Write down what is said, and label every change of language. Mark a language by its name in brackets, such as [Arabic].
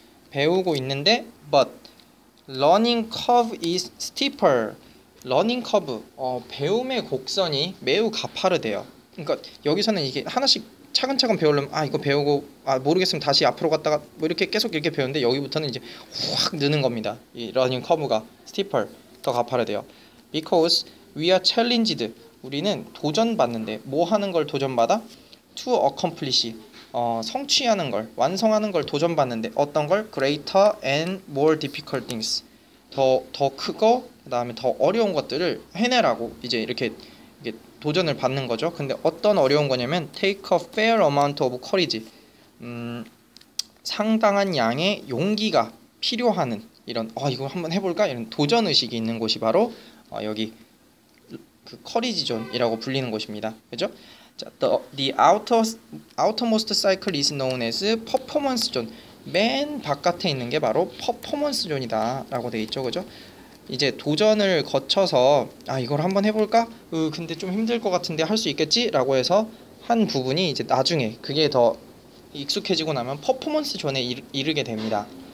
[Korean] 배우고 있는데, [English] but learning curve is steeper. [Korean] Learning curve, 배움의 곡선이 매우 가파르대요. 그러니까 여기서는 이게 하나씩 차근차근 배우려면 이거 배우고 모르겠으면 다시 앞으로 갔다가 뭐 이렇게 계속 이렇게 배우는데 여기부터는 이제 확 느는 겁니다. 이 learning curve가 steeper, 더 가파르대요. [English] Because we are challenged. [Korean] 우리는 도전받는데 뭐 하는 걸 도전받아? [English] To accomplish. [Korean] 성취하는 걸, 완성하는 걸 도전받는데 어떤 걸? [English] Greater and more difficult things. [Korean] 더 크고 그다음에 더 어려운 것들을 해내라고 이제 이렇게 도전을 받는 거죠. 근데 어떤 어려운 거냐면 [English] take a fair amount of courage. [Korean] 상당한 양의 용기가 필요하는 이런 이거 한번 해볼까? 이런 도전 의식이 있는 곳이 바로 여기 그 커리지 존이라고 불리는 곳입니다. 그죠? [English] 자, the outermost cycle is known as performance zone. [Korean] 맨 바깥에 있는 게 바로 퍼포먼스 존이다 라고 돼 있죠. 그죠? 이제 도전을 거쳐서 이걸 한번 해볼까? 근데 좀 힘들 것 같은데 할 수 있겠지? 라고 해서 한 부분이 이제 나중에 그게 더 익숙해지고 나면 퍼포먼스 존에 이르게 됩니다.